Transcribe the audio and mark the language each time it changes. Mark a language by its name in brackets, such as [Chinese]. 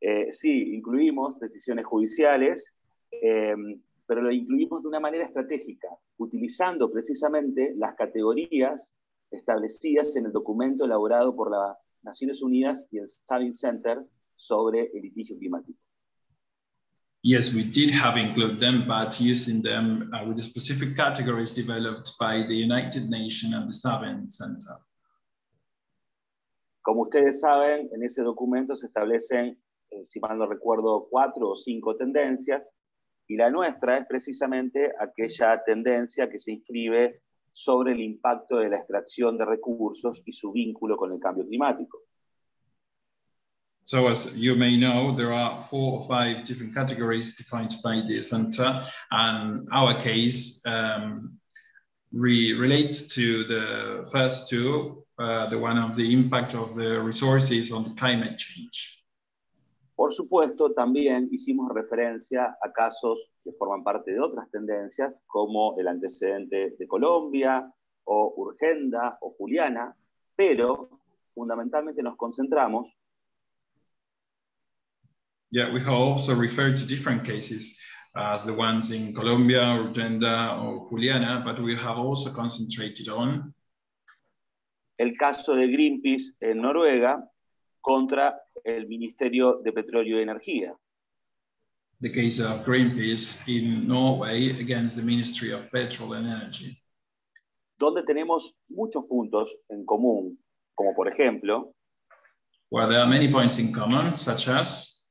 [Spanish] Sí, incluimos decisiones judiciales, pero lo incluimos de una manera estratégica, utilizando precisamente las categorías establecidas en el documento elaborado por las Naciones Unidas y el Sabin Center sobre el litigio climático. [English] Yes, we did have included them, but using them with the specific categories developed by the United Nations and the Sabin Center. [Spanish] Como ustedes saben, en ese documento se establecen, si mal no recuerdo, 4 o 5 tendencias, y la nuestra es precisamente aquella tendencia que se inscribe sobre el impacto de la extracción de recursos y su vínculo con el cambio climático. [English] So as you may know, there are 4 or 5 different categories defined by the center, and our case relates to the first two, the one of the impact of the resources on the climate change. [Spanish] Por supuesto, también hicimos referencia a casos que forman parte de otras tendencias, como el antecedente de Colombia, o Urgenda, o Juliana, pero fundamentalmente nos concentramos. [English] Yeah, we have also referred to different cases as the ones in Colombia, Urgenda, o Juliana, but we have also concentrated on [Spanish] el caso de Greenpeace en Noruega contra el Ministerio de Petróleo y Energía. [English] The case of Greenpeace in Norway against the Ministry of Petrol and Energy. [Spanish] Donde tenemos muchos puntos en común, como por ejemplo, [English] where there are many points in common, such as